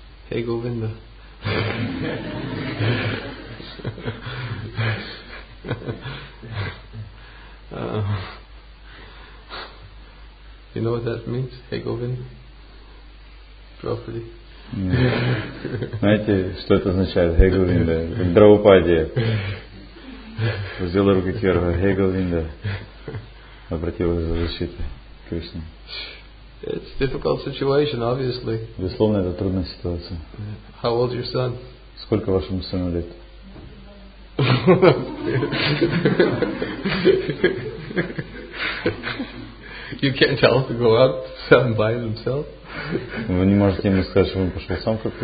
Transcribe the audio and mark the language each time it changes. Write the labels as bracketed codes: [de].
[en] Hey, Govinda. You know what that means? Hey, Govinda. Properly. [ru] Знаете, что это означает? Хей Говинда. Драупадия. Взяла руки кверху. Хей Говинда. Обратилась за защитой к Кришне. [en] It's a difficult situation, obviously. [ru] Безусловно, это трудная ситуация. [en] How old is your son? [ru] Сколько вашему сыну лет? [en] You can't tell him to go out and buy himself. [ru] Вы не можете ему сказать, чтобы он пошел сам как-то.